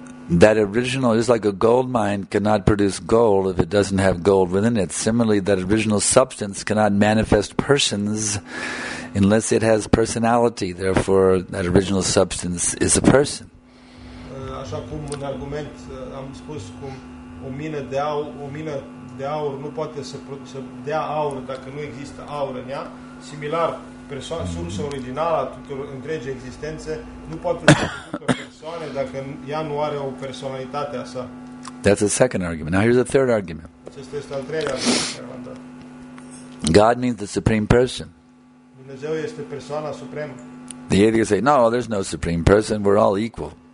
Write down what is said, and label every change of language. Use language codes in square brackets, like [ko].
[en] That original is like a gold mine cannot produce gold if it doesn't have gold within it. Similarly, that original substance cannot manifest persons unless it has personality. Therefore, that original substance is a person. [ro] Așa cum în argument am spus cum o mină de aur, o mină de aur nu poate să, să dea aur dacă nu există aur în ea. Similar, sursa originală a tuturor întregii existențe nu poate să producă persoane dacă ea nu are o personalitate a sa. [en] That's the second argument. Now here's the third argument. [ro] Acesta este al treilea argument. [en] God means the supreme person. [ro] Dumnezeu este persoana supremă. [en] The atheists say, no, there's no supreme person, we're all equal.